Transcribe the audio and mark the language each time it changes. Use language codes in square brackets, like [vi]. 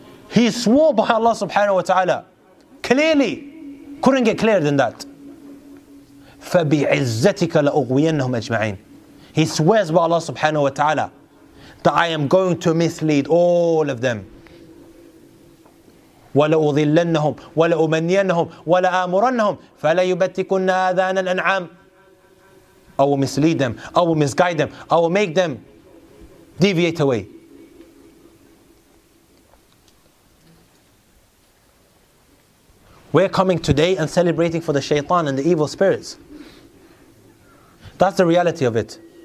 [en] He swore by Allah subhanahu wa ta'ala. Clearly. Couldn't get clearer than that. [ar] فَبِعِزَّتِكَ لَأُغْوِيَنَّهُمْ أَجْمَعِينَ. [en] He swears by Allah subhanahu wa ta'ala that I am going to mislead all of them. [ar] وَلَأُضِلَّنَّهُمْ وَلَأُمَنِّيَنَّهُمْ وَلَأَمُرَنَّهُمْ فَلَيُبَتِّكُنَّ آذَانَ الْأَنْعَامِ. [en] I will mislead them. I will misguide them. I will make them deviate away. We're coming today and celebrating for the shaitan and the evil spirits. That's the reality of it.